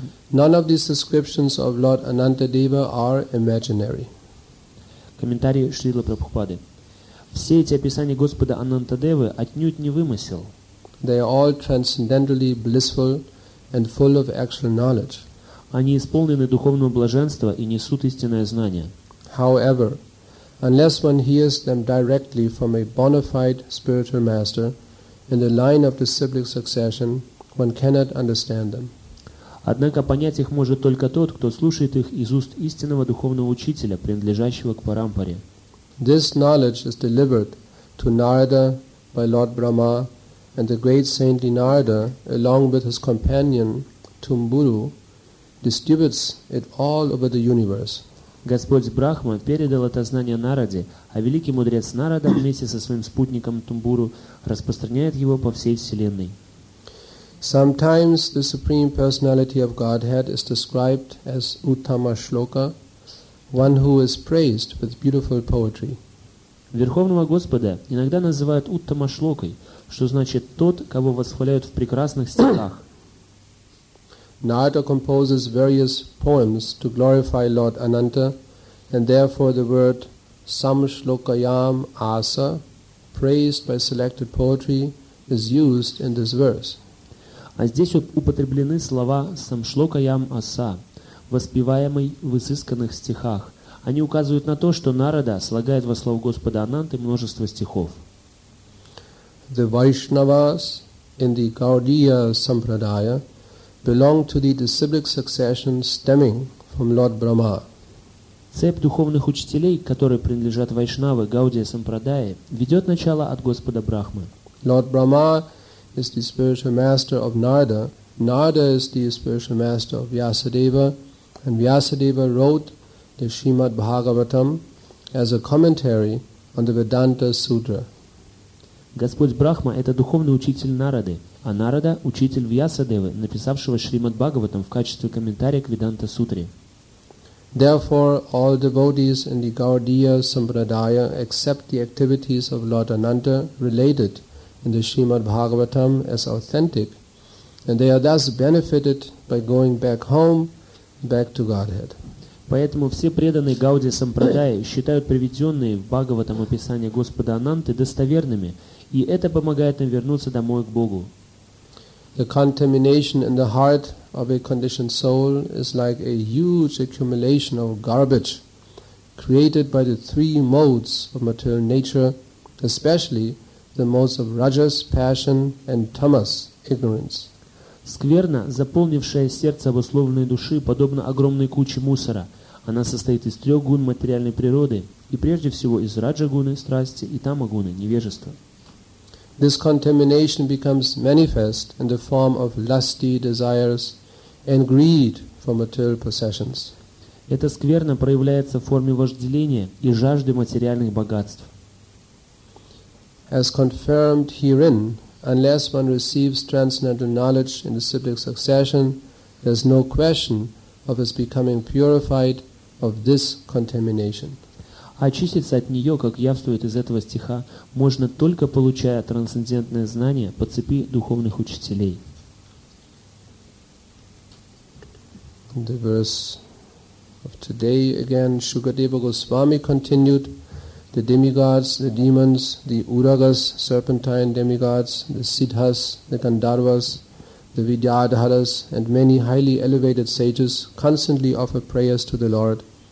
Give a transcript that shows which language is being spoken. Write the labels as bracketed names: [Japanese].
[English] None of these descriptions of Lord Anantadeva are imaginary. [Russian] Комментарии Шрилы Прабхупады. Все эти описания Господа Анантадевы отнюдь не вымысел. [English] They are all transcendentally blissful and full of actual knowledge. [Russian] Они исполнены духовного блаженства и несут истинное знание. [English] However, unless one hears them directly from a bona fide spiritual master in the line of disciplic succession, one cannot understand them. [Russian] Однако понять их может только тот, кто слушает их из уст истинного духовного учителя, принадлежащего к парампаре. [English] This knowledge is delivered to Narada by Lord Brahma, and the great saintly Narada, along with his companion Tumburu, distributes it all over the universe. [Russian] Господь Брахма передал это знание Нараде, а великий мудрец Нарада вместе со своим спутником Тумбуру распространяет его по всей вселенной. [English] Sometimes the Supreme Personality of Godhead is described as Uttama Shloka, one who is praised with beautiful poetry. [Russian] Верховного Господа иногда называют Уттама Шлокой, что значит тот, кого восхваляют в прекрасных стихах. [English] Narada composes various poems to glorify Lord Ananta, and therefore the word Samshlokayam Asa, praised by selected poetry, is used in this verse. [Russian] А здесь употреблены слова «самшлокаям аса», воспеваемый в изысканных стихах. Они указывают на то, что Нарада слагает во славу Господа Ананты множество стихов. [English] The Vaishnavas in the Gaudiya Sampradaya belong to the disciplic succession stemming from Lord Brahma. [Russian] Цепь духовных учителей, которые принадлежат Вайшнавы Гаудия Сампрадаи, ведет начало от Господа Брахмы. [English] Lord Brahma is the spiritual master of Narada. Narada is the spiritual master of Vyasadeva, and Vyasadeva wrote the Srimad Bhagavatam as a commentary on the Vedanta Sutra. [Russian] Господь Брахма – это духовный учитель Нарады, а Нарада – учитель Вьясадевы, написавшего Шримад Бхагаватам в качестве комментария к Веданта Сутре. [English] Therefore, all devotees in the Gaudiya Sampradaya accept the activities of Lord Ananta related in the Srimad Bhagavatam as authentic, and they are thus benefited by going back home, back to Godhead. [Russian] Поэтому все преданные Гауди Сампрадаи считают приведенные в Бхагаватам описания Господа Ананты достоверными, и это помогает им вернуться домой к Богу. [English] The contamination in the heart of a conditioned soul is like a huge accumulation of garbage created by the three modes of material nature, especially the modes of rajas, passion, and tamas, ignorance. [Russian] Скверна, заполнившая сердце обусловленной души, подобно огромной куче мусора. Она состоит из трех гун материальной природы, и прежде всего из раджа-гуны, страсти, и тама-гуны, невежества. [English] This contamination becomes manifest in the form of lusty desires and greed for material possessions. [Russian] Эта скверна проявляется в форме вожделения и жажды материальных богатств. [English] As confirmed herein, unless one receives transcendental knowledge in the cyclic succession, there is no question of his becoming purified of this contamination. [Russian] Очиститься от нее, как явствует из этого стиха, можно только получая трансцендентное знание по цепи духовных учителей. [English] The verse of today again, Shukadeva Goswami continued, the demigods, the demons, the Uragas, serpentine demigods, the Siddhas, the Gandharvas, the Vidyadharas, and many highly elevated sages constantly offer prayers to the Lord.